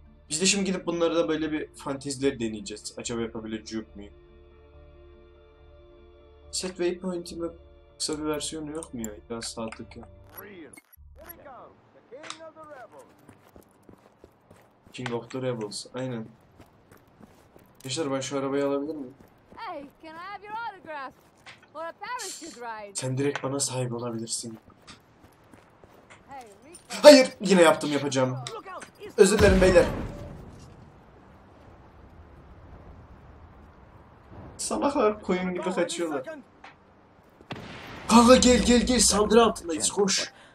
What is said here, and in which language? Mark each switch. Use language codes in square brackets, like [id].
[tr] Biz de şimdi gidip bunları da böyle bir fantezileri deneyeceğiz. Acaba yapabilecek miyim? Set waypoint'in kısa bir versiyonu yok mu ya? Biraz saatlik ya. King of the Rebels. Aynen. Arkadaşlar ben şu arabayı alabilir miyim? [en] Hey, can I have your autograph? For a parachute ride. [tr] Sen direkt bana sahip olabilirsin. Hayır! Yine yaptım yapacağım. Özür dilerim beyler. Salaklar koyun gibi kaçıyorlar. Kanka gel gel gel, saldırı altındayız, koş.